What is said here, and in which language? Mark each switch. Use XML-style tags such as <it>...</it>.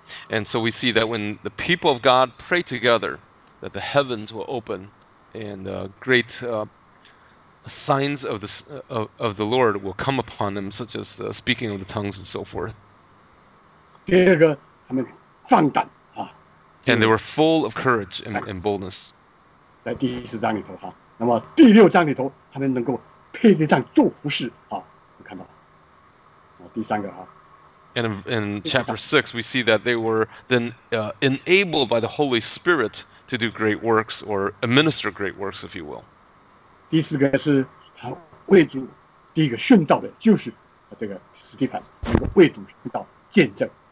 <en>And so we see that when the people of God pray together, that the heavens will open, and great signs of the Lord will come upon them, such as speaking of the tongues and so forth.</en> <zh>第二个，他们放胆。</zh> <en>And they were full of courage and boldness.</en> <zh>在第一章里头，那么第六章里头，他们能够披着帐做服事，看到。第三个，</zh> <en>And in chapter 6, we see that they were then enabled by the Holy Spirit to do great works or administer great works, if you will.</en> <zh>第四个是他为主第一个殉道的，就是这个史蒂凡，为主殉道见证。</zh>